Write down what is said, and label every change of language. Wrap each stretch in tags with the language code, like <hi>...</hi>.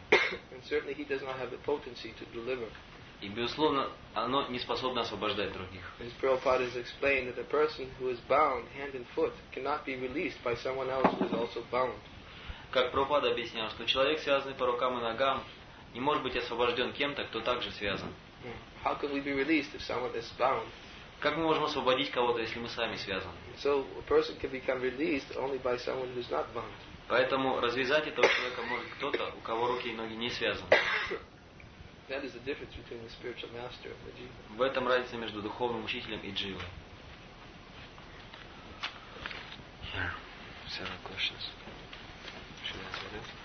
<en>and certainly he does not have the potency to deliver,</en> <ru>и безусловно оно не способно освобождать других.</ru> <en>As Prabhupada has explained, that a person who is bound hand and foot cannot be released by someone else who is also bound.</en> <ru>Как Прабхупада объяснял, что человек, связанный по рукам и ногам, не может быть освобожден кем-то, кто также связан.</ru> <en>How can we be released if someone is bound?</en> <ru>Как мы можем освободить кого-то, если мы сами связаны?</ru> <en>So a person can become released only by someone who is not bound.</en> <ru>Поэтому развязать этого человека может кто-то, у кого руки и ноги не связаны.</ru> <en>That is the difference between the spiritual master and the jiva.</en> <ru>В этом разница между духовным учителем и дживой.</ru> <en>Here, several questions. Should I answer it?</en>